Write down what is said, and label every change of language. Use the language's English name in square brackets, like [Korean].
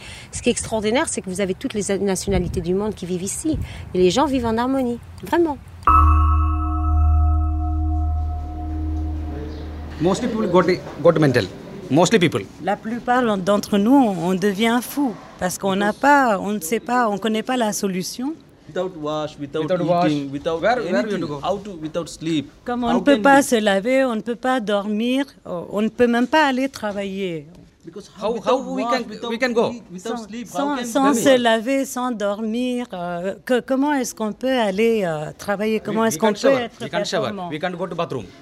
[French] Ce qui est extraordinaire, c'est que vous avez toutes les nationalités du monde qui vivent ici. Et les gens vivent en harmonie, vraiment. [English] Mostly people got mental. Mostly people. [French] La plupart d'entre nous, on devient fou parce qu'on n'a pas, on ne sait pas, on ne connaît pas la solution. [English] Without wash, without eating, without anything, how to, without sleep. [French] Comme on ne peut pas se laver, on ne peut pas dormir, on ne peut même pas aller travailler. [English] Because how we can go without sleep? [French] Sans se laver, sans dormir, comment est-ce qu'on peut aller travailler? Comment est-ce qu'on peut être performant? [English] We can shower. We can go to the bathroom.